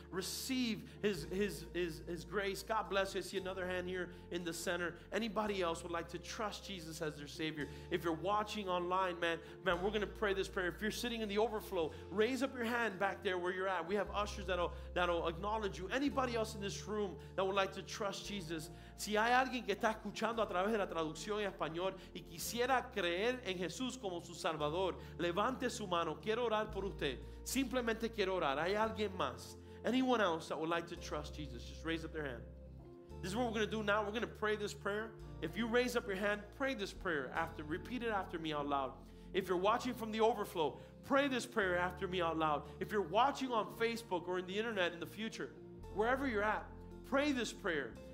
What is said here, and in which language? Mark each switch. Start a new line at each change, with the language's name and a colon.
English: Receive his grace. God bless you. I see another hand here in the center. Anybody else would like to trust Jesus as their Savior? If you're watching online, man, we're going to pray this prayer. If you're sitting in the overflow, raise up your hand back there where you're at. We have ushers that'll acknowledge you. Anybody else in this room that would like to trust Jesus?
Spanish: Si hay alguien que está escuchando a través de la traducción en español y quisiera creer en Jesús como su Salvador, levante su mano. Quiero orar por usted. Simplemente quiero orar. Hay alguien más.
English: Anyone else that would like to trust Jesus, just raise up their hand. This is what we're going to do now. We're going to pray this prayer. If you raise up your hand, pray this prayer after. Repeat it after me out loud. If you're watching from the overflow, pray this prayer after me out loud. If you're watching on Facebook or in the internet in the future, wherever you're at, pray this prayer.